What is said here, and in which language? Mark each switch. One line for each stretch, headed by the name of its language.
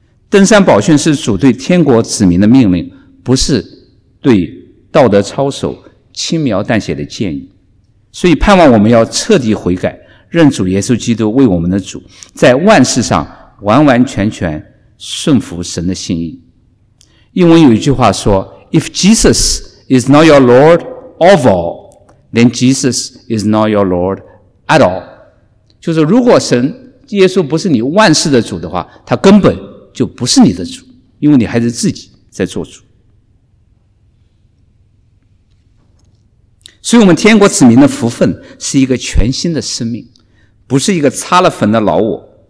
Chinese: 登山宝训是主对天国子民的命令，不是对道德操守轻描淡写的建议。所以盼望我们要彻底悔改，认主耶稣基督为我们的主，在万事上完完全全顺服神的心意。英文有一句话说，
English: If Jesus is not your Lord of all, then Jesus is not your Lord at all.
Chinese: 就是如果神耶稣不是你万事的主的话，他根本就不是你的主，因为你还是自己在做主。所以我们天国子民的福分是一个全新的生命，不是一个擦了粉的老我。